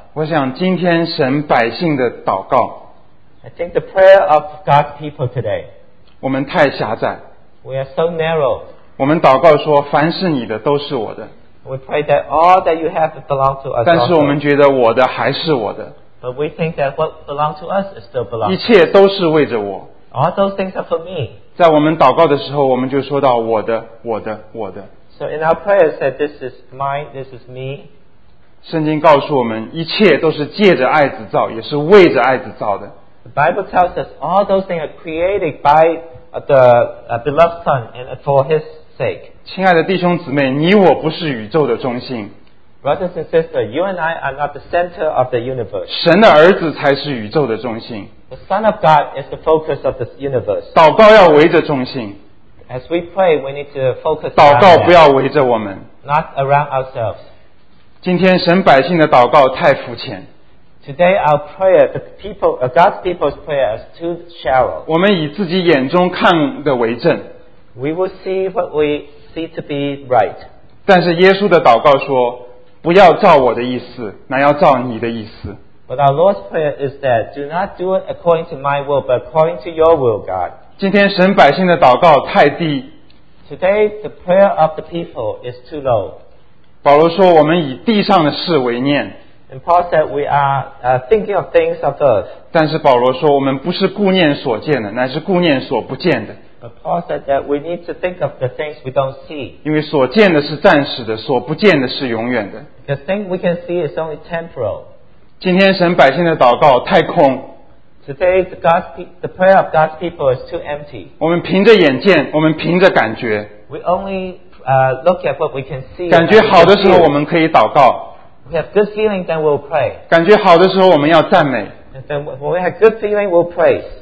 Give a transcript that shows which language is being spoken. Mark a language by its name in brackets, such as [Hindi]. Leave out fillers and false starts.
[Chinese] 我想今天神百姓的祷告， [English] I think the prayer of God's people today. [Chinese] 我们太狭窄， [English] We are so narrow. [Chinese] 我们祷告说凡是你的都是我的， [English] We pray that all that you have belong to us. [Chinese] 但是我们觉得我的还是我的， [English] But we think that what belongs to us is still belongs. [Chinese] 一切都是为着我， [English] All those things are for me. [Chinese] 在我们祷告的时候我们就说到我的我的我的。 [English] So in our prayers that this is mine, this is me. [Chinese] 圣经告诉我们一切都是借着爱子造，也是为着爱子造的。 [English] The Bible tells us all those things are created by the beloved son and for his sake. [Chinese] 亲爱的弟兄姊妹，你我不是宇宙的中心。 [English] Brothers and sisters, you and I are not the center of the universe. [Chinese] 神的儿子才是宇宙的中心。 [English] The son of God is the focus of the universe. [Chinese] 祷告要围着中心。 [English] As we pray, we need to focus on [Chinese] 祷告不要围着我们。 [English] Not around ourselves. [Chinese] 今天神百姓的祷告太肤浅。 [English] Today our prayer, the people, God's people's prayer is too shallow. [Chinese] 我们以自己眼中看的为证。 [English] We will see what we see to be right. [Chinese] 但是耶稣的祷告说，不要照我的意思，乃要照你的意思。 [English] But our Lord's prayer is that, do not do it according to my will, but according to your will, God. [Chinese] 今天神百姓的祷告太低。 [English] Today the prayer of the people is too low. [Chinese] 保罗说，我们以地上的事为念。 [English] And Paul said we are thinking of things of earth. [Chinese] 但是保罗说，我们不是顾念所见的，乃是顾念所不见的。 [English] But Paul said that we need to think of the things we don't see. [Chinese] 因为所见的是暂时的，所不见的是永远的。 [English] The thing we can see is only temporal. [Chinese] 今天神百姓的祷告太空。 [English] Today, the prayer of God's people is too empty. [Chinese] 我们凭着眼见，我们凭着感觉。 [English] We only look at what we can see. [Chinese] 感觉好的时候我们可以祷告。 [English] We have good feeling, then we'll pray. [Chinese] 感觉好的时候我们要赞美。 [English] And then when we have good feeling, we'll praise.